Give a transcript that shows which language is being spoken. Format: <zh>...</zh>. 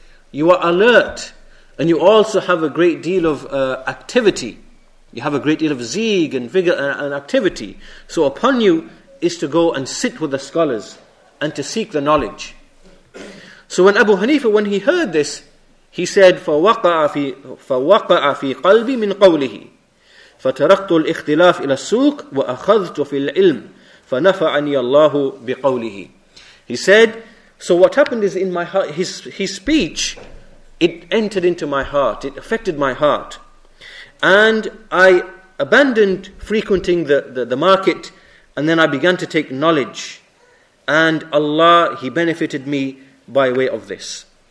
<en>You are alert, and you also have a great deal of activity. You have a great deal of zeeg and vigor and activity. So upon you is to go and sit with the scholars and to seek the knowledge. So when Abu Hanifa, when he heard this, he said,</en> <ar>فَوَقَعَ فِي قَلْبِي مِنْ قَوْلِهِ فَتَرَقْتُ الْإِخْتِلَافِ إِلَى السُّوقِ وَأَخَذْتُ فِي الْعِلْمِ فَنَفَعَنِيَ اللَّهُ بِقَوْلِهِ.</ar> <en>He said, so what happened is in my heart, his speech, it entered into my heart, it affected my heart. And I abandoned frequenting the market, and then I began to take knowledge. And Allah, he benefited me by way of this.</en>